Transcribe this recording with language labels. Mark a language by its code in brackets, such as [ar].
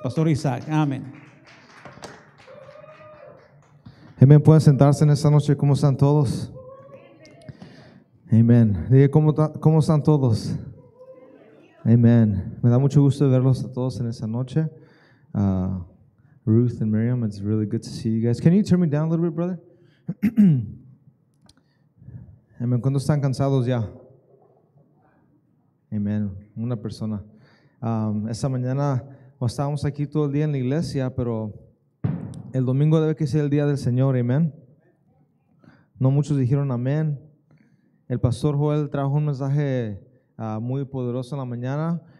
[es] Pastor Isaac, amén. Amén. Pueden sentarse en esta noche. ¿Cómo están todos? Amén. Dije, ¿cómo están todos? Amén. Me da mucho gusto verlos a todos en esta noche. [en] Ruth and Miriam, it's really good to see you guys. Can you turn me down a little bit, brother? [es] Amén. ¿Cuándo están cansados ya? Amén. Una persona. Esta mañana estábamos aquí todo el día en la iglesia, pero el domingo debe que sea el día del Señor. Amén. No muchos dijeron amén. El pastor Joel trajo un mensaje muy poderoso en la mañana.